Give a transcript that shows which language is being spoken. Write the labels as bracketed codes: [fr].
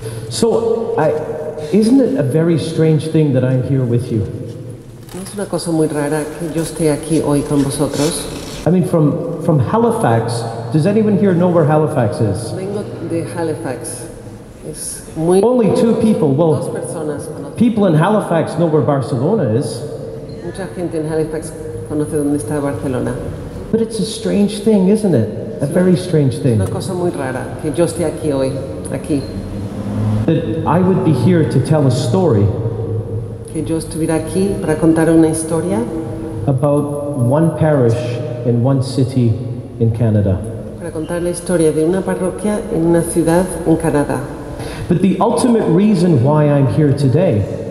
[en] So, isn't it a very strange thing that I'm here with you? [es] Es una cosa muy rara que yo esté aquí hoy con vosotros. [en] I mean, from Halifax. Does anyone here know where Halifax is? [es] Vengo de Halifax. Es muy [en] only two people. Well, [es] dos personas. [en] People in Halifax know where Barcelona is. [es] Mucha gente en Halifax conoce dónde está Barcelona. [en] But it's a strange thing, isn't it? A very strange thing. [es] Es una cosa muy rara que yo esté aquí hoy, aquí. [en] That I would be here to tell a story. [es] Que yo estuviera aquí para contar una historia. [en] About one parish in one city in Canada. [es] Para contar la historia de una parroquia en una ciudad en Canadá. [en] But the ultimate reason why I'm here today